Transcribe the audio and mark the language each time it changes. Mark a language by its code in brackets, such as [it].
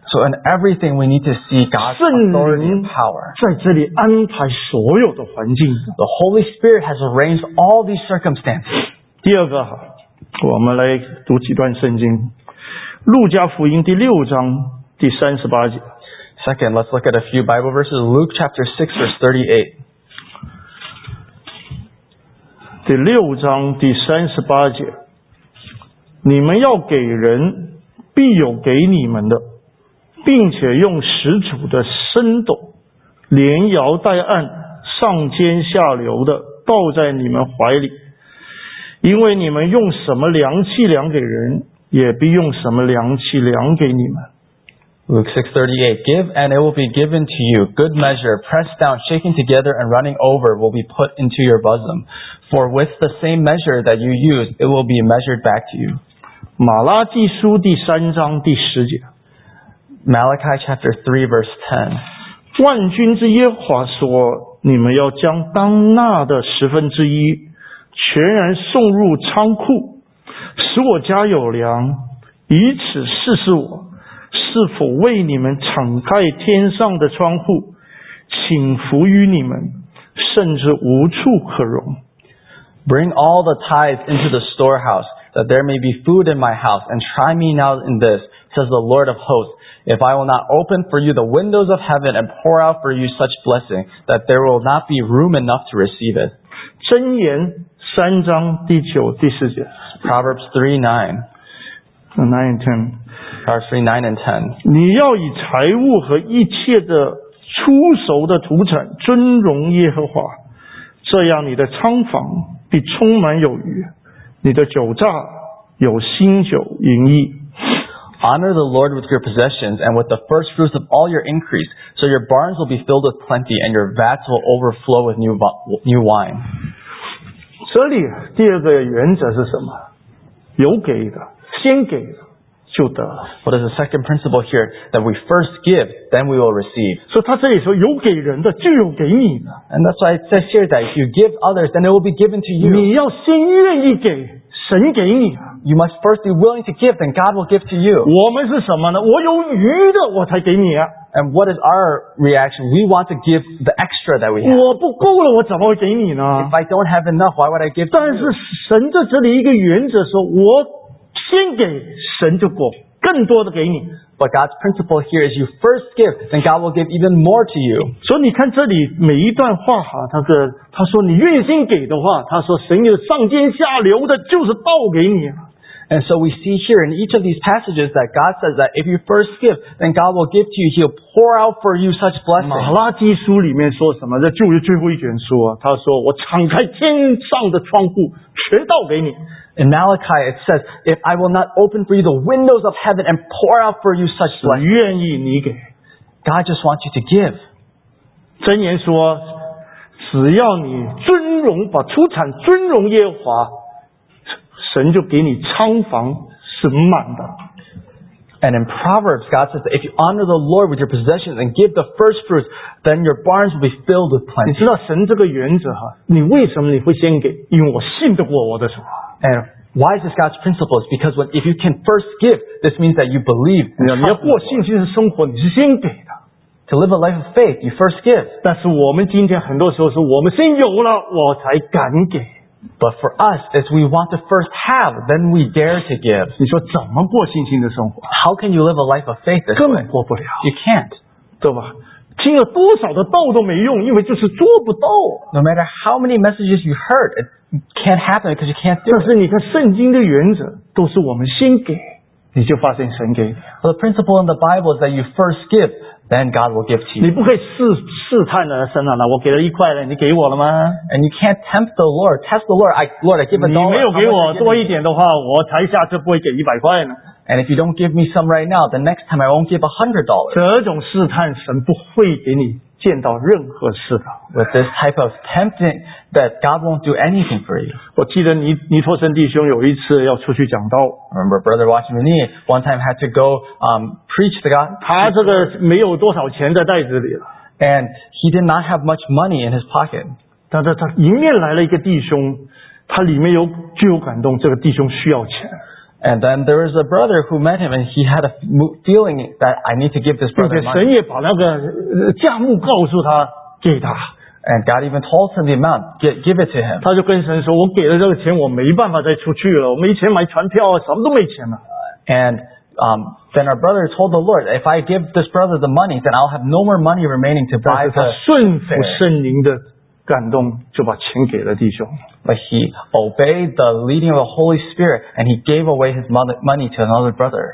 [en] So in everything we need to see God's authority and power [zh] 在这里安排所有的环境 [en] The Holy Spirit has arranged all these circumstances [zh] 第二个我们来读几段圣经路加福音第六章第三十八节 [en] Second, let's look at a few Bible verses Luke chapter 6 verse 38 [zh] 第六章第三十八节你们要给人必有给你们的并且用十足的升斗连摇带按上尖下流的倒在你们怀里因为你们用什么量器量给人也必用什么量器量给你们 [en] Luke 6:38 Give and it will be given to you good measure pressed down shaken together and running over will be put into your bosom for with the same measure that you use it will be measured back to you [zh] 马拉基书第三章第十节 [en] Malachi chapter 3 verse 10 [zh] 万军之耶和华说你们要将当纳的十分之一全然送入仓库使我家有粮以此试试我是否为你们敞开天上的窗户倾福于你们甚至无处可容 [en] Bring all the tithes into the storehouse that there may be food in my house and try me now in this says the Lord of hosts if I will not open for you the windows of heaven and pour out for you such blessing that there will not be room enough to receive it [zh] 箴言三章第九第四节。 [en] Proverbs 3:9-10. Proverbs 3:9-10. [zh] 你要以财物和一切的出熟的土产尊荣耶和华，这样你的仓房必充满有余，你的酒榨有新酒盈溢。 [en] Honor the Lord with your possessions and with the first fruits of all your increase, so your barns will be filled with plenty and your vats will overflow with new wine. [zh] 这里第二个原则是什么？有给的，先给的就得了。 [en] What is the second principle here? That we first give, then we will receive. [zh] 所以他这里说有给人的就有给你的。 [en] And that's why it says here that if you give others, then it will be given to you. [zh] 你要先愿意给，神给你。 [en] You must first be willing to give, then God will give to you. [zh] 我们是什么呢？我有余的我才给你啊。 [en] And what is our reaction? We want to give the extra that we have. [zh] 我不够了我怎么会给你呢？ [en] If I don't have enough, why would I give to you? [zh] 但是神在这里一个原则说我先给神就过更多的给你。 [en] But God's principle here is you first give, then God will give even more to you. [zh] 所以你看这里每一段话哈，他说你愿心给的话，他说神有上尖下流的就是倒给你。 [en] And so we see here in each of these passages that God says that if you first give, then God will give to you, He'll pour out for you such blessings. [zh] 马拉基书里面说什么？这旧约最后一卷书啊，他说我敞开天上的窗户，全倒给你。 [en] In Malachi, it says, if I will not open for you the windows of heaven and pour out for you such blessings. [zh] 愿意你给。 [en] God just wants you to give. [zh] 箴言说，只要你尊荣，把出产尊荣耶和华，神就给你仓房是满的。 [en] And in Proverbs, God says that if you honor the Lord with your possessions and give the first fruits, then your barns will be filled with plenty. [zh] 你知道神这个原则哈，你为什么你会先给？因为我信得过我的主。 [en] And why is this God's principle? It's because if you can first give, this means that you believe. [zh] 你要过信心的生活，你是先给的。 [en] To live a life of faith, you first give. [zh] 但是我们今天很多时候是我们先有了，我才敢给。 [en] But for us, as we want to first have, then we dare to give. [zh] 你说怎么过信心的生活？ [en] How can you live a life of faith this way? [zh] 根本过不了。 [en] You can't. [zh] 对吧？听了多少的道都没用，因为就是做不到。 [en] No matter how many messages you heard, it can't happen because you can't do it. [zh] 但是你看圣经的原则都是我们先给，你就发现神给。 [en] Well, the principle in the Bible is that you first give, then God will give to you. [zh] 你不可以试探了神了，我给了一块了，你给我了吗？ [en] And you can't tempt the Lord, test the Lord. Lord, I give a dollar. [zh] 你没有给我多一点的话，我才下次不会给一百块呢。 [en] And if you don't give me some right now, the next time I won't give $100. [zh] 这种试探神不会给你见到任何事的。 [en] With this type of tempting, that God won't do anything for you. [zh] 我记得尼托森弟兄有一次要出去讲道。 [en] Remember Brother Washington Nee, one time had to go, preach the God. [zh] 他这个没有多少钱在袋子里了。 [en] And he did not have much money in his pocket. [zh] 但是他迎面来了一个弟兄，他里面有具有感动，这个弟兄需要钱。 [en] And then there was a brother who met him and he had a feeling that I need to give this brother money. [zh] 神也把那个价目告诉他给他。 [en] And God even told him the amount, give it to him. [zh] 他就跟神说我给了这个钱我没办法再出去了，我没钱买船票什么都没钱了。 [en] And then our brother told the Lord, if I give this brother the money, then I'll have no more money remaining to buy the fare. [zh] 顺服圣灵的感动就把钱给了弟兄。 [en] But he obeyed the leading of the Holy Spirit and he gave away his money to another brother.